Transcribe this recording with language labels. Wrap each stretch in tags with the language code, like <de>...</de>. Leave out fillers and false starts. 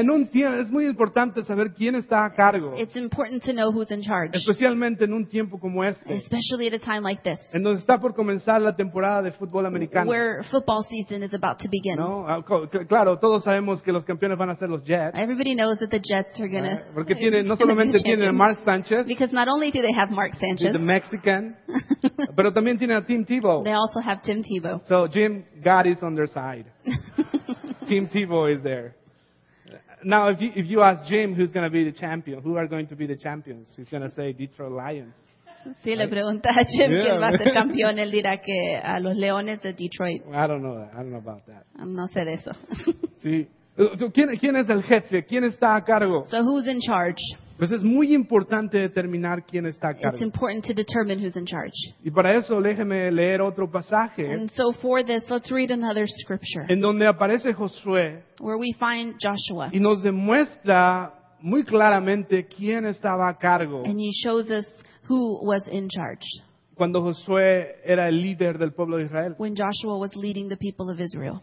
<es>En un tiempo es muy importante saber quién está a cargo.</es> <en>It's important to know who's in charge.</en> <es>Especialmente en un tiempo como este.</es> <en>Especially at a time like this.</en> <es>En donde está por comenzar la temporada de fútbol americano.</es> <en>Where football season is about to begin.</en> <es>No, claro, todos sabemos que los campeones van a ser los Jets.</es> <en>Everybody knows that the Jets are gonna.</en> <es>Porque tienen no solamente tienen a Mark Sanchez.</es> <en>Because not only do they have Mark Sanchez. The Mexican.</en> <es>Pero también tienen a Tim Tebow.</es> <en>They also have Tim Tebow. So Jim, God is on their side. Tim Tebow is there. Now, if you ask Jim who's going to be the champion, who are going to be the champions, he's going to say Detroit Lions.</en> <es>Si le pregunta a Jim quién va a ser campeón, él dirá que a los Leones de Detroit.</es> <en>I don't know that. I don't know about that.</en> <es>No sé de eso. Sí. So, ¿quién es el jefe? ¿Quién está a cargo?</es> <en>So who's in charge?</en> <es>Pues es muy importante determinar quién está a cargo.</es> <en>It's important to determine who's in charge.</en> <es>Y para eso, déjeme leer otro pasaje.</es> <en>And so for this, let's read another scripture.</en> <es>En donde aparece Josué.</es> <en>Where we find Joshua.</en> <es>Y nos demuestra muy claramente quién estaba a cargo.</es> <en>And he shows us who was in charge.</en> <es>Cuando Josué era el líder del pueblo de Israel.</es> <en>When Joshua was leading the people of Israel.</en>